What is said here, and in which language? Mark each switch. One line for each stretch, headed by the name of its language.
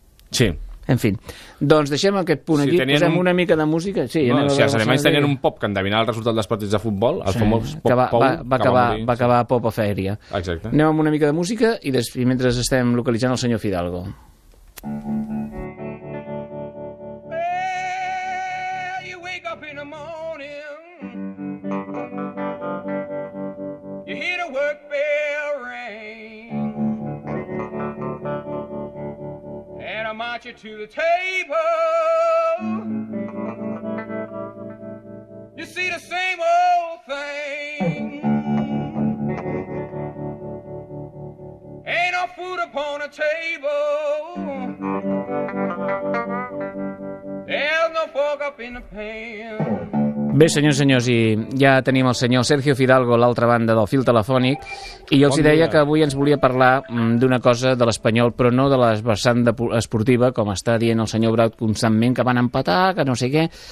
Catalan: Sí. En fi, doncs deixem aquest punt aquí, posem una mica de música. Sí, no, si els alemanys tenien un pop que endevinava el resultat dels partits de futbol, el famós pop-pou... Va acabar pop a fèria. Exacte. Anem amb una mica de música i després, mentre estem localitzant el senyor Fidalgo.
English: Hey, you wake up in the morning. You hear the work bell ring. And I march you to the table. You see the same old thing. Ain't no food upon the table. There's no fork up in the pan.
Catalan: Bé, senyors, senyors, i ja tenim el senyor Sergio Fidalgo a l'altra banda del fil telefònic i jo els deia que avui ens volia parlar d'una cosa de l'Espanyol, però no de la vessant esportiva, com està dient el senyor Braut constantment, que van empatar, que no sé què...